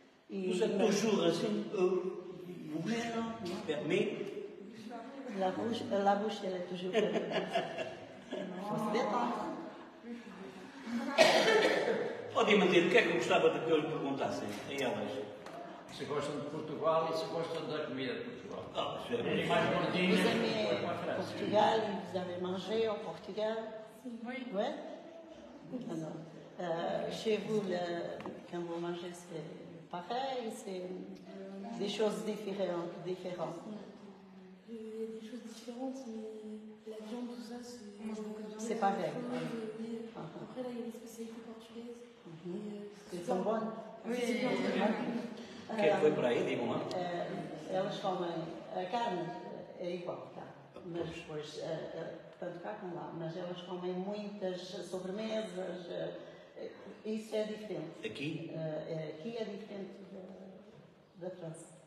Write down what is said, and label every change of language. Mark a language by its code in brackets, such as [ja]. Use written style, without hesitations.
[fr] Vous êtes toujours assim, rouge, fermé. La bouche, elle est toujours fermée. Faut se détendre. [pt] Podem manter, o que é que eu gostava de que eu lhe perguntassem a elas? Se gostam de Portugal e se gostam da comida de Portugal. Ah, é mais gordinha. [fr] Vous aimez Portugal, vous avez mangé au Portugal? [pt] Sim. [fr] Oui. Oui? Então, chez vous, quand vous mangez, c'est pareil, c'est des choses différentes. Différentes. Il y a des choses différentes, mais la viande, tout ça, c'est pareil. Ouais. Après, là, il y a des spécialités portugaises. Mm-hmm. Elles sont bonnes. Oui, c'est bien. Oui. [pt] Quem foi para aí, digam-me. Elas comem a carne, é igual, tá? Mas depois, tanto cá como lá, mas elas comem muitas sobremesas, isso é diferente. Aqui? Aqui é diferente da França.